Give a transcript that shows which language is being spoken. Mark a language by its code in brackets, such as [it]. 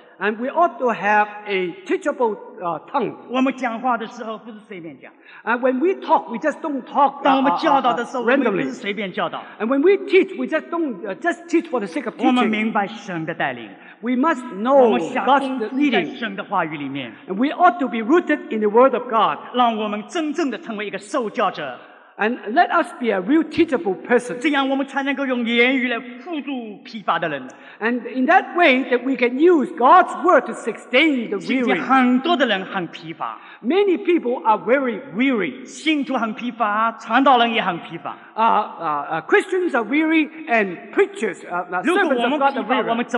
[en] And we ought to have a teachable tongue. [zh] 我们讲话的时候不是随便讲。 [en] And when we talk, we just don't talk randomly. [zh] 当我们教导的时候，我们不是随便教导。 [en] And when we teach, we just don't just teach for the sake of teaching. [zh] 我们明白神的带领。 [en] We must know God's leading. [zh] 神的话语里面。 [en] And we ought to be rooted in the Word of God. [zh] 让我们真正的成为一个受教者。 [en] And let us be a real teachable person. [zh] 这样我们才能够用言语来辅助疲乏的人。 [en] And in that way that we can use God's word to sustain the weary. [zh] 今天很多的人很疲乏。 [en] Many people are very weary. [zh] 信徒很疲乏，传道人也很疲乏。 [en] Christians are weary and preachers, servants of God are weary.